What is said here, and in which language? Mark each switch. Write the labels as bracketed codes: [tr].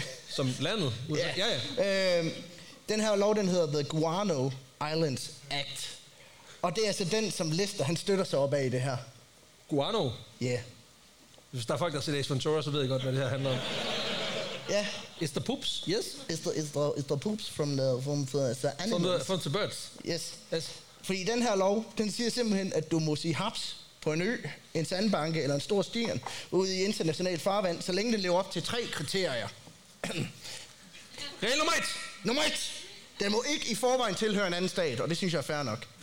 [da] som landet? Ja. Ja, ja. Den her lov, den hedder The Guano Islands Act. Og det er altså den, som Lester, han støtter sig op af i det her. Guano? Ja. [en] Yeah. [da] Hvis der er folk, der ser Ace Ventura, så ved I godt, hvad det her handler om. Ja. [en] Is the poops? Yes. Is the poops from the animals? From the birds? Yes. Yes. [da] Fordi den her lov, den siger simpelthen, at du må sige haps på en ø, en sandbanke eller en stor stien ude i internationalt farvand, så længe det lever op til tre kriterier. Regel nummer et! Nummer et! Den må ikke i forvejen tilhøre en anden stat, og det synes jeg er fair nok.